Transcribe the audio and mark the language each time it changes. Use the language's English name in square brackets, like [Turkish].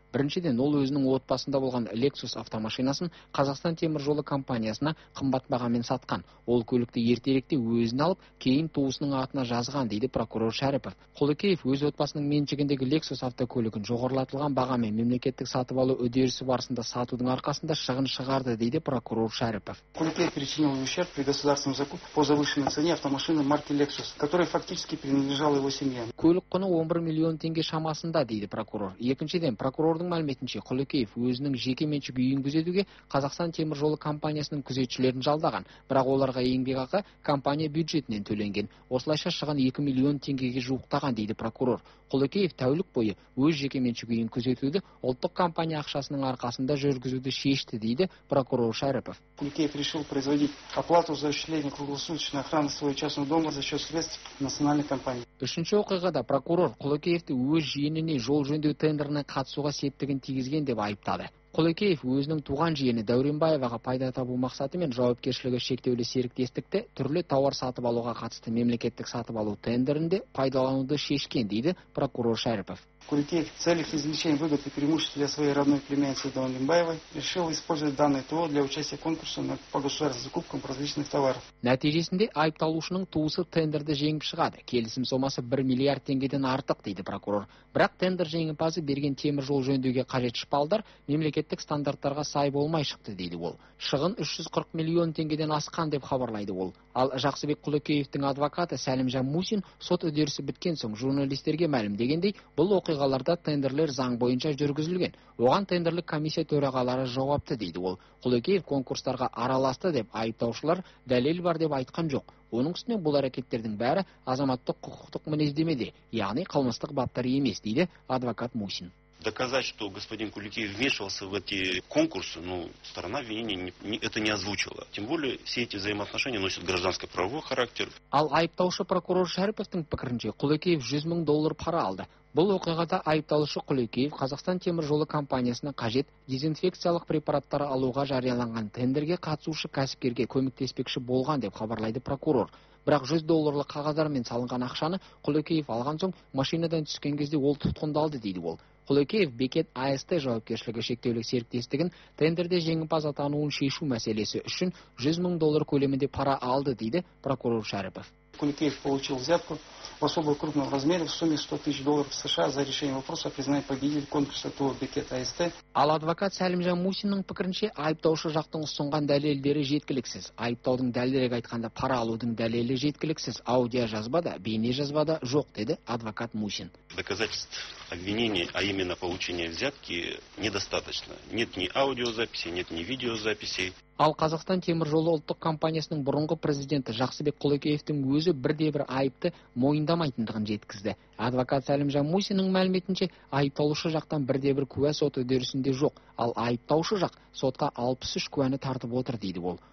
[Kazakh] Біріншіден ол өзінің отбасында болған Lexus автомашинасын Қазақстан темір жолы компаниясына қымбат бағамен сатқан. Ол көлікті ертеректе өзін алып, кейін туысының атына жазған дейді прокурор Шәріпов. Құлекеев өз отбасының меншігіндегі Lexus автокөлігін жоғарылатылған бағамен мемлекеттік сатып алу үдерісі барысында сатудың арқасында шығын шығарды дейді прокурор Шәріпов. [Russian] Құлекеев причинил ущерб при государственном закупке по завышенной цене автомашины марки Lexus, которая фактически принадлежала его семье. [Kazakh] Көлік құны 11 миллион теңге шамасында дейді прокурор. Екіншіден прокурор Құрдың мәліметінше Құлекеев өзінің жеке меншік үйін күзетуге Қазақстан темір жолы компаниясының күзетшілерін жалдаған, бірақ оларға еңбекақы компания бюджетінен төленген. Осылайша шығын 2 миллион теңгеге жуықтаған дейді прокурор. Құлекеев тәулік бойы өз жеке меншік үйін күзетуді ұлттық компания ақшасының арқасында жүргізуді шешті дейді прокурор Шәріпов. [Russian] Құлекеев решил производить оплату за осуществление круглосуточной охраны своего частного дома за счет средств национальной компании. [Kazakh] Үшінші оқиғада прокурор Құлекеевті өз жиеніне жол жөндеу тендеріне қатысуға септігін тигізген деп айыптады. Құлекеев өзінің туған жиені Дәуренбаеваға пайда табу мақсатымен жауапкершілігі шектеулі серіктестікті түрлі тауар сатып алуға қатысты мемлекеттік сатып алу тендерінде пайдалануды шешкен дейді прокурор Шәріпов. [Russian] Құлекеев целях извлечения выгод и преимуществ для своей родной племянницы Дәуренбаевой решил использовать данное ТО для участия конкурса по государственным закупкам различных товаров. [Kazakh] Нәтижесінде айыпталушының туысы тендерді жеңіп шығады. Келісім сомасы 1 миллиард теңгеден артық дейді прокурор. Бірақ тендер жеңімпазы берген темір жол жөндеуге қажет шпалдар мемлекеттік стандарттарға сай болмай шықты дейді ол. Шығын 340 миллион теңгеден асқан деп хабарлайды ол. Ал Жақсыбек Құлекеевтің адвокаты Сәлімжан Мусин сот үдерісі біткен соң журналистерге мәлімдегендей, бұл оқиғаларда тендерлер заң бойынша жүргізілген. Оған тендерлік комиссия төрағалары жауапты дейді ол. Құлекеев конкурстарға араласты деп айыптаушылар дәлел бар деп айтқан жоқ. Оның үстіне бұл әрекеттердің бәрі азаматтық құқықтық мінездемеде, яғни қылмыстық баптар емес дейді адвокат Мусин. [Russian] Доказать, что господин Куликеев вмешивался в эти конкурсы, ну, сторона обвинения это не озвучила. Тем более, все эти взаимоотношения носят гражданско-правовой характер. [Kazakh] Ал айыптаушы прокурор Шәріповтің пікірінше, Құлекеев 100 000 доллар пара алды. Бұл оқиғада айыпталушы Құлекеев Қазақстан темір жолы компаниясына қажет дезинфекциялық препараттар алуға жарияланған тендерге қатысушы кәсіпкерге көмектеспекші болған деп хабарлайды прокурор. Бірақ 100 долларлық қағаздармен салынған ақшаны Құлекеев алған соң машинадан түскен кезде ол тұтқындалды дейді ол. Құлекеев бекет АСТ жауапкершілігі шектеулі серіктестігін тендерде жеңімпаз атануын шешу мәселесі үшін 100 000 доллар көлемінде пара алды дейді прокурор Шәріпов. [Russian] Куликеев получил взятку в особо крупном размере в сумме 100 тысяч долларов США за решение вопроса о признании победителя конкурса ТО «Бекет АСТ». [Kazakh] Ал адвокат Сәлімжан Мусиннің пікірінше, айыптаушы жақтың ұсынған дәлелдері жеткіліксіз. Айыптаудың дәлелдерге айтқанда пара алудың дәлелі жеткіліксіз. Аудио жазбада, бейне жазбада жоқ, деді адвокат Мусин. [Russian] Доказательств обвинения, а именно получения взятки, недостаточно. Нет ни аудиозаписи, нет ни видеозаписи. [Kazakh] Ал Қазақстан темір жолы ұлттық компаниясының бұрынғы президенті Жақсыбек Құлекеевтің өзі бірде-бір айыпты мойындамайтындығын жеткізді. Адвокат Сәлімжан Мусиннің мәліметінше, айыпталушы жақтан бірде-бір куә сот үдерісінде жоқ, ал айыптаушы жақ сотқа 63 куәні тартып отыр, дейді ол.